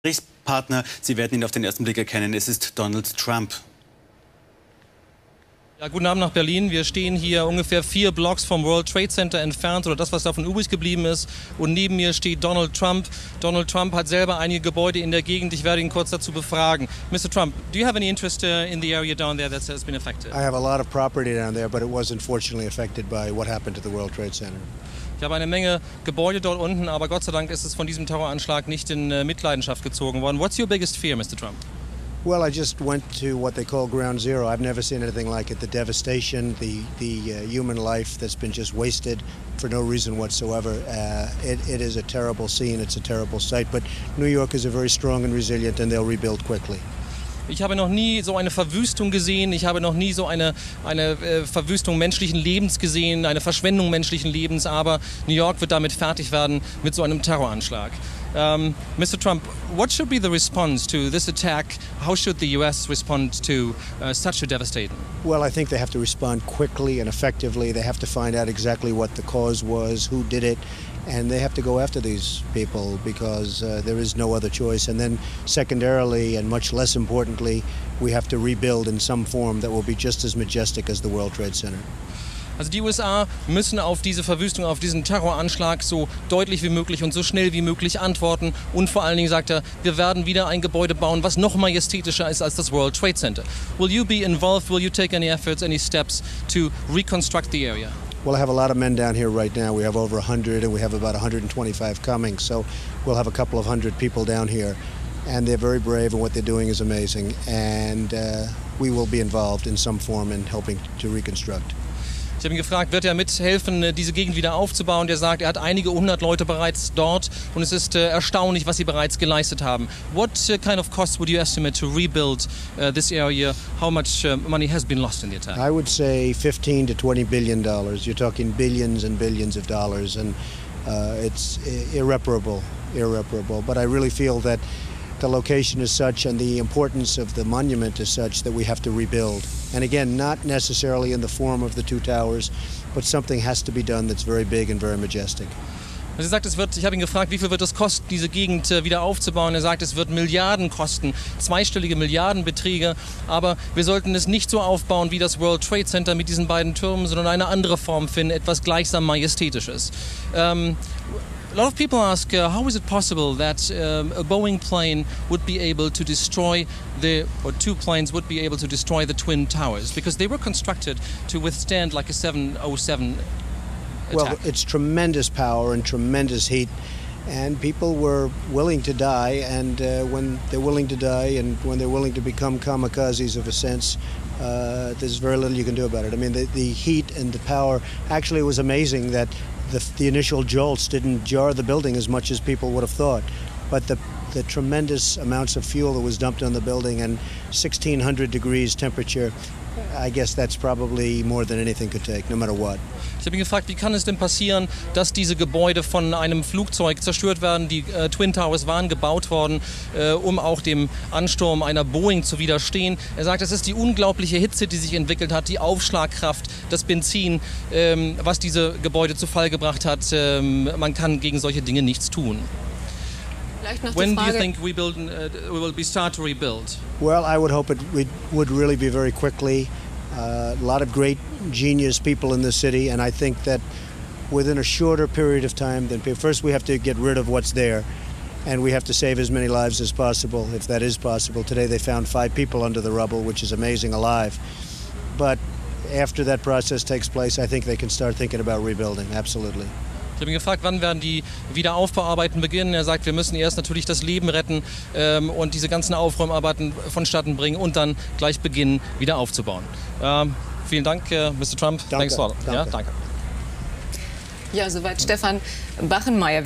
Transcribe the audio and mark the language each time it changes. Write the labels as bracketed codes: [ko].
[de] Gesprächspartner, Sie werden ihn auf den ersten Blick erkennen, es ist Donald Trump. Ja, guten Abend nach Berlin. Wir stehen hier ungefähr 4 Blocks vom World Trade Center entfernt oder das, was davon übrig geblieben ist. Und neben mir steht Donald Trump. Donald Trump hat selber einige Gebäude in der Gegend. Ich werde ihn kurz dazu befragen. Mr. [en] Trump, do you have any interest in the area down there that has been affected? I have a lot of property down there, but it was unfortunately affected by what happened to the World Trade Center. [de] Ich habe eine Menge Gebäude dort unten, aber Gott sei Dank ist es von diesem Terroranschlag nicht in Mitleidenschaft gezogen worden. [en] What's your biggest fear, Mr. Trump? Well, I just went to what they call Ground Zero. I've never seen anything like it. The devastation, the human life that's been just wasted for no reason whatsoever. It is a terrible scene. It's a terrible sight. But New York is a very strong and resilient, and they'll rebuild quickly. [de] Ich habe noch nie so eine Verwüstung gesehen. Ich habe noch nie so eine Verwüstung menschlichen Lebens gesehen, eine Verschwendung menschlichen Lebens. Aber New York wird damit fertig werden mit so einem Terroranschlag. [en] Mr. Trump, what should be the response to this attack? How should the U.S. respond to such a devastating? Well, I think they have to respond quickly and effectively. They have to find out exactly what the cause was, who did it, and they have to go after these people because there is no other choice. And then secondarily, and much less importantly, we have to rebuild in some form that will be just as majestic as the World Trade Center. [de] Also die USA müssen auf diese Verwüstung, auf diesen Terroranschlag so deutlich wie möglich und so schnell wie möglich antworten. Und vor allen Dingen sagt er, wir werden wieder ein Gebäude bauen, was noch majestätischer ist als das World Trade Center. [en] Will you be involved? Will you take any efforts, any steps to reconstruct the area? Well, I have a lot of men down here right now. We have over 100 and we have about 125 coming. So we'll have a couple of hundred people down here. And they're very brave and what they're doing is amazing. And we will be involved in some form in helping to reconstruct. [de] Ich habe ihn gefragt, wird er mithelfen, diese Gegend wieder aufzubauen? Er sagt, er hat einige hundert Leute bereits dort und es ist erstaunlich, was sie bereits geleistet haben. [en] What kind of costs would you estimate to rebuild this area? How much money has been lost in the attack? I would say 15 to 20 billion dollars. You're talking billions and billions of dollars and it's irreparable. But I really feel that the location is such and the importance of the monument is such that we have to rebuild. And again, not necessarily in the form of the two towers, but something has to be done that's very big and very majestic. [de] Sie sagt, ich habe ihn gefragt, wie viel wird es kosten, diese Gegend wieder aufzubauen. Er sagt, es wird Milliarden kosten, zweistellige Milliardenbeträge. Aber wir sollten es nicht so aufbauen wie das World Trade Center mit diesen beiden Türmen, sondern eine andere Form finden, etwas gleichsam Majestätisches. [en] A lot of people ask, how is it possible that a Boeing plane would be able to destroy the, or two planes would be able to destroy the Twin Towers? Because they were constructed to withstand like a 707 attack. Well, it's tremendous power and tremendous heat, and people were willing to die, and when they're willing to die and when they're willing to become kamikazes of a sense, there's very little you can do about it. I mean, the heat and the power, actually it was amazing that the initial jolts didn't jar the building as much as people would have thought, but the tremendous amounts of fuel that was dumped on the building and 1600 degrees temperature, I guess that's probably more than anything could take, no matter what. [de] Ich habe mich gefragt, wie kann es denn passieren, dass diese Gebäude von einem Flugzeug zerstört werden? Die Twin Towers waren gebaut worden, um auch dem Ansturm einer Boeing zu widerstehen. Er sagt, es ist die unglaubliche Hitze, die sich entwickelt hat, die Aufschlagkraft, das Benzin, was diese Gebäude zu Fall gebracht hat. Man kann gegen solche Dinge nichts tun. [en] When do you think we will be start to rebuild? Well, I would hope it would really be very quickly. A lot of great genius people in the city, and I think that within a shorter period of time than first we have to get rid of what's there, and we have to save as many lives as possible, if that is possible. Today they found 5 people under the rubble, which is amazing, alive. But after that process takes place, I think they can start thinking about rebuilding, absolutely. Ich habe ihn gefragt, wann werden die Wiederaufbauarbeiten beginnen? Er sagt, wir müssen erst natürlich das Leben retten und diese ganzen Aufräumarbeiten vonstatten bringen und dann gleich beginnen, wieder aufzubauen. [de] Vielen Dank, Mr. Trump. Danke. [en] Thanks for. [de] Danke. Ja, danke. Ja, soweit Stefan Bachenmeier.